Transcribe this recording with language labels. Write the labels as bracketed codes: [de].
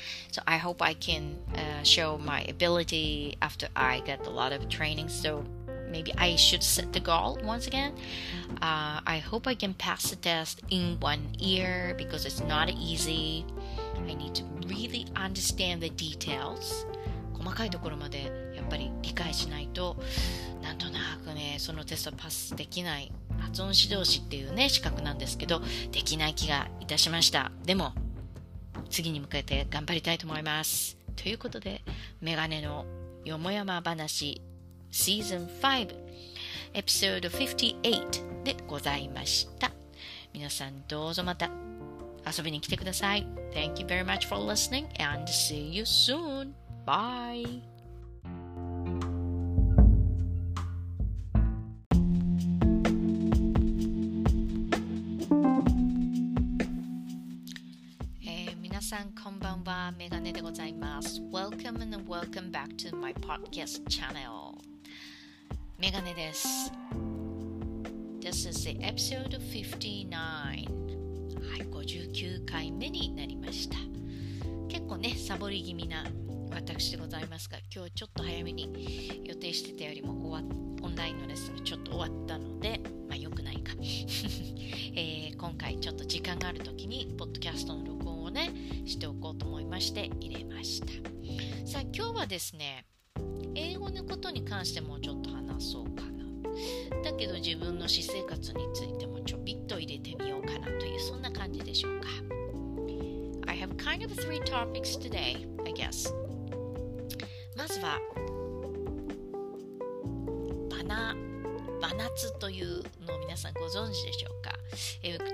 [en] So I hope I can, show my ability after I get a lot of training. So maybe I should set the goal once again. I hope I can pass the test in 1 year because it's not easy. I need to really understand the details. [ja] 細かいところまでやっぱり理解しないと、なんとなくね、そのテストパスできない、発音指導士っていうね資格なんですけど、できない気がいたしました。でも次に向けて頑張りたいと思います。ということで、メガネのよもやま話シーズン5エピソード58でございました。皆さんどうぞまた遊びに来てください。 [en] Thank you very much for listening and see you soon. Bye. [ja] こんばんは、メガネでございます。 [en] Welcome and welcome back to my podcast channel. [ja] メガネです。 [en] This is the episode 59. [ja] はい、59回目になりました。結構ね、サボり気味な私でございますが、今日ちょっと早めに予定してたよりも終わっ、オンラインのレッスンがちょっと終わったので、まあ良くないか、今回ちょっと時間があるときに、ポッドキャストの録音をね、しておこうと思いまして入れました。さあ、今日はですね、英語のことに関してもちょっと話そうかな。だけど自分の私生活についてもちょびっと入れてみようかなという、そんな感じでしょうか。 [en] I have kind of three topics today, I guess. [ja] まずはバナツというのを皆さんご存知でしょうか。